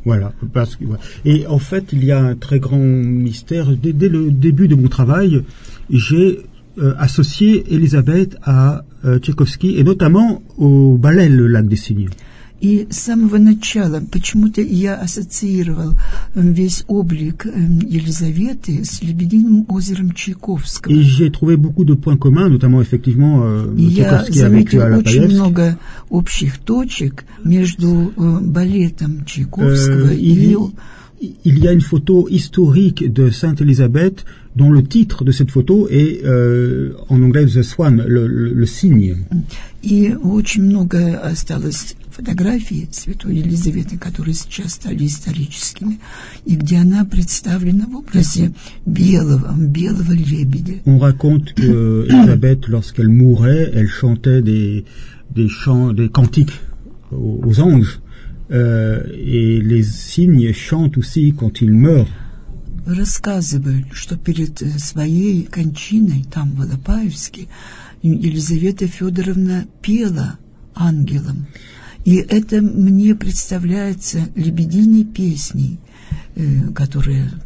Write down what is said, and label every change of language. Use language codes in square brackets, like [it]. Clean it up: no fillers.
[fr] Voilà, parce que, ouais. Et en fait, il y a un très grand mystère. Dès le début de mon travail, j'ai associé Elisabeth à Tchaïkovski, et notamment au ballet Le Lac des Cygnes. [ru] И с самого начала почему-то я ассоциировал весь облик Елизаветы с Лебединым озером Чайковского. [fr] Et j'ai trouvé beaucoup de points communs, notamment effectivement Чайковский avec Алапаевск. [ru] Я заметил очень много общих точек между балетом Чайковского и [fr] Il y a une photo historique de Sainte Élisabeth dont le titre de cette photo est en anglais The Swan, le cygne. [ru] И очень много осталось фотографии святой Елизаветы, которые сейчас стали историческими, и где она представлена в образе белого лебедя. [fr] On raconte que Élisabeth, lorsqu'elle mourait, elle chantait des chants, des cantiques aux anges, et les cygnes chantent aussi quand ils meurent. [ru] рассказывали, что перед своей кончиной там, в Алапаевске, Елизавета Федоровна пела ангелам. И это мне представляется лебединой песней, которая...